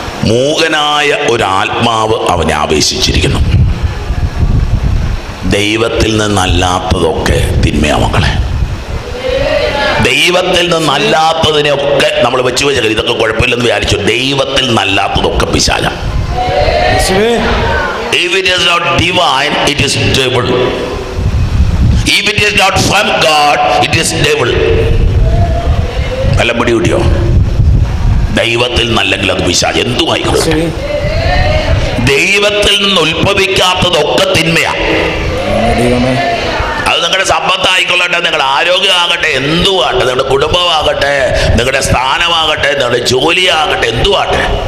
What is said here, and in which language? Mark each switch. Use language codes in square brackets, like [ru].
[ml] മൂകനായ ഒരാത്മാവ് അവനെ ആവേശിച്ചിരിക്കുന്നു. ദൈവത്തിൽ നിന്നല്ലാത്തതൊക്കെ തിന്മയാ മകളെ, ദൈവത്തിൽ നിന്നല്ലാത്തതിനെയൊക്കെ നമ്മൾ വെച്ചു വെച്ചാൽ ഇതൊക്കെ കുഴപ്പമില്ലെന്ന് വിചാരിച്ചു. ദൈവത്തിൽ നിന്നല്ലാത്തതൊക്കെ പിശാച. [en] If it is not divine, it is devil. If it is not from God, it is devil. [ml] അല്ലെങ്കിൽ ഉടിയോ, ദൈവത്തിൽ നിന്നല്ലെങ്കിൽ അത് പിശാച. എന്തുമായിക്കോട്ടെ, ദൈവത്തിൽ നിന്ന് ഉത്ഭവിക്കാത്തതൊക്കെ തിന്മയാ. അത് നിങ്ങളുടെ സമ്പത്തായിക്കൊള്ളട്ടെ, നിങ്ങളുടെ ആരോഗ്യം ആകട്ടെ, എന്തുവാട്ടെ, നിങ്ങളുടെ കുടുംബമാകട്ടെ, നിങ്ങളുടെ സ്ഥാനമാകട്ടെ, നിങ്ങളുടെ ജോലിയാകട്ടെ, എന്തുവാട്ടെ.